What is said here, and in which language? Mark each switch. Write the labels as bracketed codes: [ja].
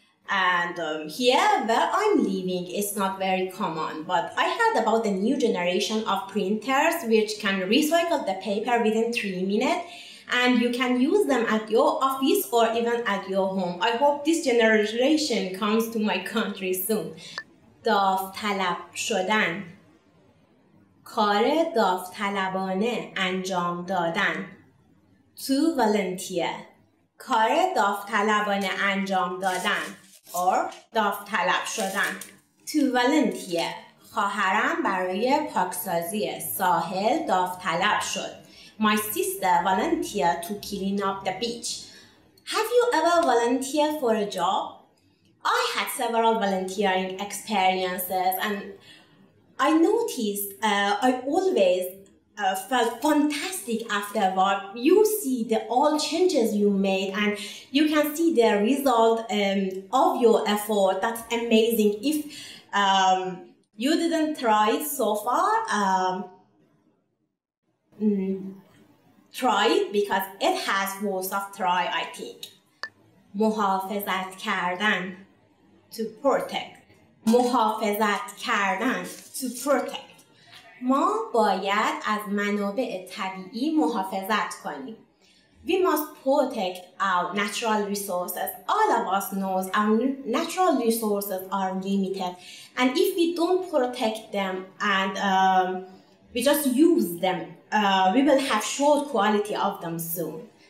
[en] And here where I'm living it's not very common, but I heard about the new generation of printers which can recycle the paper within 3 minutes. And you can use them at your office or even at your home. I hope this generation comes to my country soon. [fa] داوطلب شدن. کار داوطلبانه انجام دادن. [en] To volunteer. [fa] کار داوطلبانه انجام دادن. [en] Or [fa] داوطلب شدن. [en] To volunteer. [fa] خواهرم برای پاکسازی ساحل داوطلب شد. [en] My sister volunteered to clean up the beach. Have you ever volunteered for a job? I had several volunteering experiences and I noticed I always felt fantastic after work. You see the all changes you made and you can see the result of your effort. That's amazing. If you didn't try it so far, try it because it has worth of try, I think. [fa] محافظت کردن. [en] To protect. [fa] محافظت کردن. [en] To protect. [fa] ما باید از منابع طبیعی محافظت کنیم. [en] We must protect our natural resources. All of us knows our natural resources are limited. And if we don't protect them and we just use them, we will have short quality of them soon.